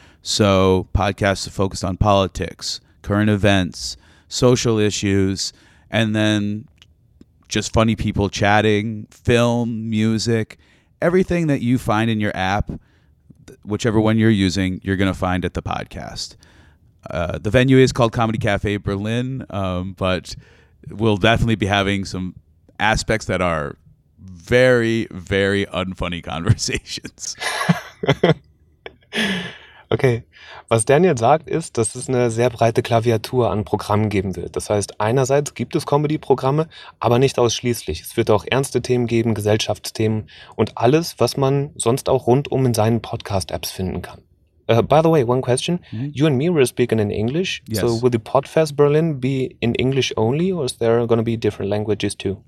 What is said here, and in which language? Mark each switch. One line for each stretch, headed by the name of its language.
English: So podcasts are focused on politics, current events, social issues, and then just funny people chatting, film, music, everything that you find in your app, whichever one you're using, you're going to find at the podcast. The venue is called Comedy Cafe Berlin, but we'll definitely be having some aspects that are very, very unfunny conversations.
German: Okay, was Daniel sagt ist, dass es eine sehr breite Klaviatur an Programmen geben wird. Das heißt, einerseits gibt es Comedy-Programme, aber nicht ausschließlich. Es wird auch ernste Themen geben, Gesellschaftsthemen und alles, was man sonst auch rundum in seinen Podcast-Apps finden kann.
English: By the way, one question. Mm-hmm. You and me were speaking in English. Yes. So will the Podfest Berlin be in English only or is there going to be different languages too?